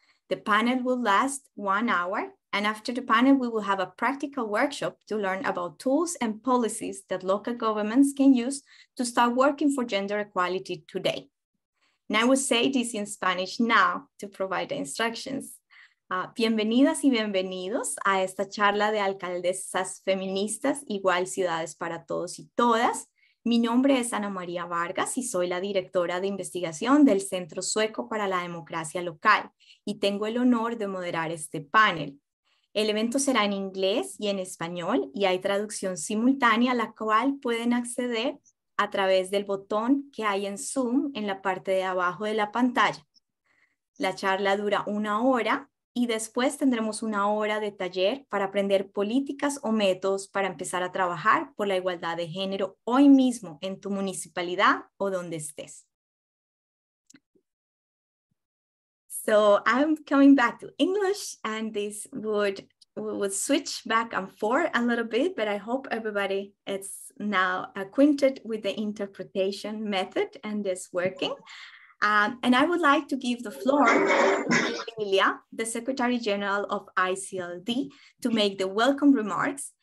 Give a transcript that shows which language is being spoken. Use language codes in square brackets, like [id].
[en] The panel will last 1 hour, and after the panel, we will have a practical workshop to learn about tools and policies that local governments can use to start working for gender equality today. And I will say this in Spanish now to provide the instructions. [es] Bienvenidas y bienvenidos a esta charla de alcaldesas feministas, igual ciudades para todos y todas. Mi nombre es Ana María Vargas y soy la directora de investigación del Centro Sueco para la Democracia Local y tengo el honor de moderar este panel. El evento será en inglés y en español y hay traducción simultánea a la cual pueden acceder a través del botón que hay en Zoom en la parte de abajo de la pantalla. La charla dura 1 hora y después tendremos 1 hora de taller para aprender políticas o métodos para empezar a trabajar por la igualdad de género hoy mismo en tu municipalidad o donde estés. [en] So I'm coming back to English, and this would switch back and forth a little bit, but I hope everybody is now acquainted with the interpretation method and is working. And I would like to give the floor to Emilia, the Secretary General of ICLD, to make the welcome remarks.